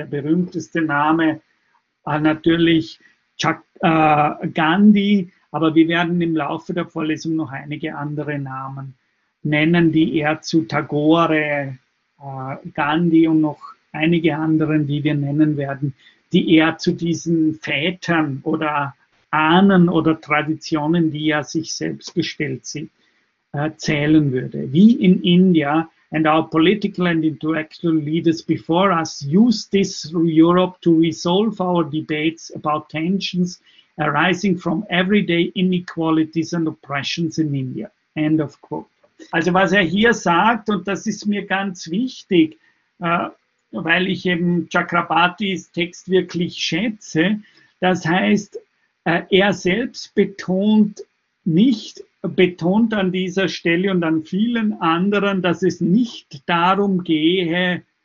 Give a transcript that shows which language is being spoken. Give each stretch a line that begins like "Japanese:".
German: Der berühmteste Name natürlich Gandhi, aber wir werden im Laufe der Vorlesung noch einige andere Namen nennen, die eher zu Tagore, Gandhi und noch einige anderen, die wir nennen werden, die eher zu diesen Vätern oder Ahnen oder Traditionen, die er sich selbst gestellt sieht, zählen würde.
English: We in India and our political and intellectual leaders before us use this Europe to resolve our debates about tensions arising from everyday inequalities and oppressions in India. End of quote.
German: Also was er hier sagt, und das ist mir ganz wichtig, weil ich eben Chakrabartis Text wirklich schätze, das heißt, er selbst betont an dieser Stelle und an vielen anderen, dass es nicht darum gehe,